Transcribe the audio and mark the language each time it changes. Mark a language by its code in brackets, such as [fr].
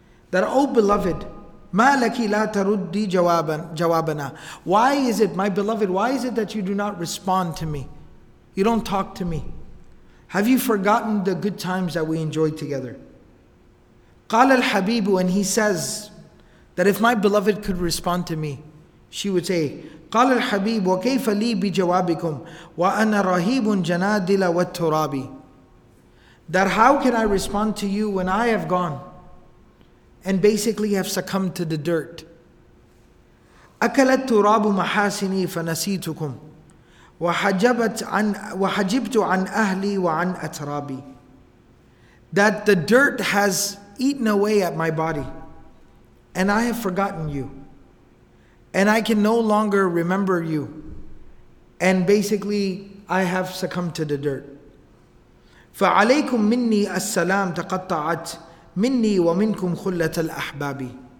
[en] That, O beloved, [ar] مَا لَكِ لَا تَرُدِّي جَوَابَنَا. [en] Why is it, my beloved, why is it that you do not respond to me? You don't talk to me. Have you forgotten the good times that we enjoyed together? [ar] قَالَ الْحَبِيبُ, [en] and he says that if my beloved could respond to me, she would say, [ar] قال الحبيب وكيف لي بجوابكم وأنا رهيب جنادلة والترابي. [en] That how can I respond to you when I have gone and basically have succumbed to the dirt. [ar] أكلت تراب محاسني فنسيتكم وحجبت عن أهلي وعن أترابي. [en] That the dirt has eaten away at my body and I have forgotten you. And I can no longer remember you. And basically, I have succumbed to the dirt. [ar] فَعَلَيْكُمْ مِنِّي السَّلَامُ تَقَطَّعَتْ مِنِّي وَمِنْكُمْ خُلَّةَ الْأَحْبَابِ.